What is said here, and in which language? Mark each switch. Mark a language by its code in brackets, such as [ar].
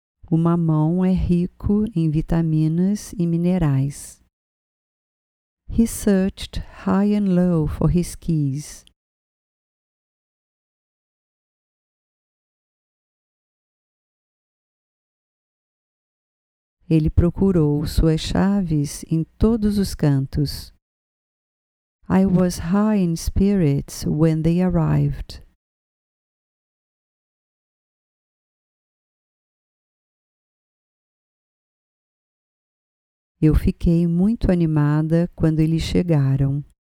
[pt] O mamão é rico em vitaminas e minerais. [en] He searched high and low for his keys. [pt] Ele procurou suas chaves em todos os cantos. [en] I was high in spirits when they arrived. [pt] Eu fiquei muito animada quando eles chegaram.